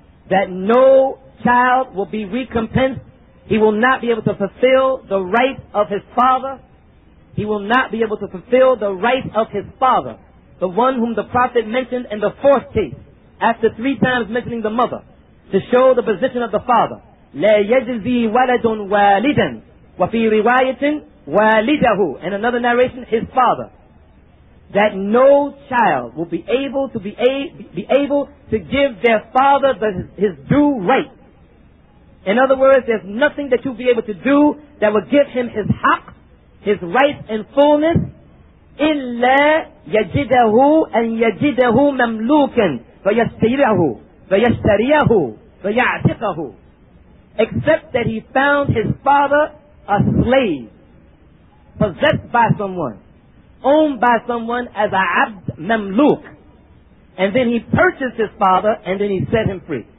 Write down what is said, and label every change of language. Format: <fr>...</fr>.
<en>that no child will be recompensed, he will not be able to fulfill the right of his father, he will not be able to fulfill the right of his father, the one whom the Prophet mentioned in the fourth case, after three times mentioning the mother, to show the position of the father.</en> <ar>لَا يَجْزِي وَلَدٌ وَالِدًا وَفِي رِوَايَةٍ وَالِدَهُ,</ar> <en>in another narration, his father. That no child will be able to be able to give their father his due right. In other words, there's nothing that you'll be able to do that will give him his haq, his right and fullness.</en> <ar>إِلَّا يَجِدَهُ أَنْ يَجِدَهُ مَمْلُوكًا فَيَسْتَيْرَهُ فَيَشْتَرِيَهُ فَيَعْتِقَهُ,</ar> <en>except that he found his father a slave, possessed by someone, owned by someone as a abd mamluk, and then he purchased his father and then he set him free.</en>